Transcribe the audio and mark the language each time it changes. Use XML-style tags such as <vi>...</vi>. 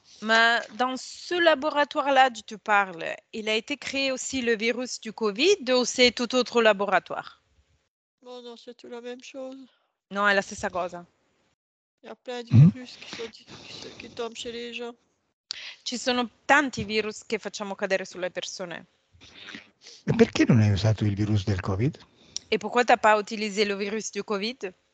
<fr>Mais dans ce laboratoire-là dont tu parles, il a été créé aussi le virus du Covid ou c'est tout autre laboratoire? Bon, non, c'est tout la même chose. Non, elle a c'est sa cause. Il y a plein de virus qui tombent chez les gens.</fr> <it>Ci sono tanti virus che facciamo cadere sulle persone. Perché non hai usato il virus del Covid?</it> <fr>E pourquoi t'as pas utilisé le virus du Covid?</fr>